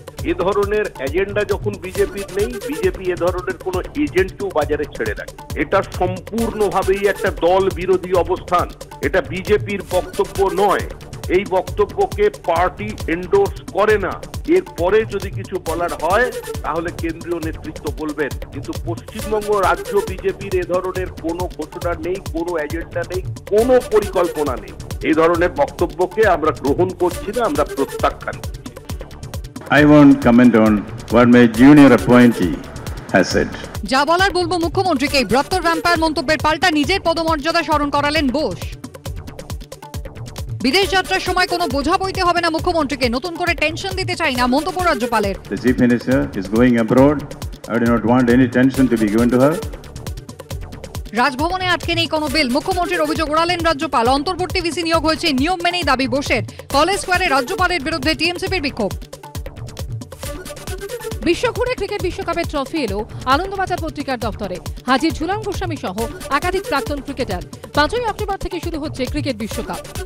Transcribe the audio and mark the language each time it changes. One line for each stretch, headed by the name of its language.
Bangla: এ ধরনের এজেন্ডা যখন বিজেপির নেই, বিজেপি এ ধরনের কোন এজেন্টকেও বাজারে ছেড়ে রাখে, এটা সম্পূর্ণভাবেই একটা দল বিরোধী অবস্থান, এটা বিজেপির বক্তব্য নয়, এই বক্তব্যকে পার্টি এন্ডোর্স করে না। এরপরে যদি কিছু বলার হয় তাহলে কেন্দ্রীয় নেতৃত্ব বলবেন, কিন্তু পশ্চিমবঙ্গ রাজ্য বিজেপির এ ধরনের কোনো ঘোষণা নেই, কোনো এজেন্ডা নেই, কোনো পরিকল্পনা নেই। এই ধরনের বক্তব্যকে আমরা গ্রহণ করছি না, আমরা প্রত্যাখ্যান করছি।
English: I won't comment on what my junior appointee has said.
Bangla: যা বলার বলবো মুখ্যমন্ত্রীকে, ব্রত্তর রামপায়ের মন্তব্যের পাল্টা নিজের পদমর্যাদা স্মরণ করালেন বোস। বিদেশ যাত্রার সময় কোনো বোঝা বইতে হবে না মুখ্যমন্ত্রীকে, নতুন করে টেনশন দিতে চাই না মন্তব্য রাজ্যপালের।
English: The chief minister is going abroad. I do not want any tension to be given to her.
Bangla: রাজভবনে আটকে নেই কোনো বিল, মুখ্যমন্ত্রীর অভিযোগ উড়ালেন রাজ্যপাল। অন্তর্বর্তী ভিসি নিয়োগ হয়েছে নিয়ম মেনেই দাবি বোসের। কলেজ স্কোয়ারে রাজ্যপালের বিরুদ্ধে টিএমসিপির বিক্ষোভ। বিশ্বঘুরে ক্রিকেট বিশ্বকাপের ট্রফি এলো আনন্দবাজার পত্রিকার দপ্তরে। হাজির ঝুলন গোস্বামী সহ একাধিক প্রাক্তন ক্রিকেটার। 5ই অক্টোবর থেকে শুরু হচ্ছে ক্রিকেট বিশ্বকাপ।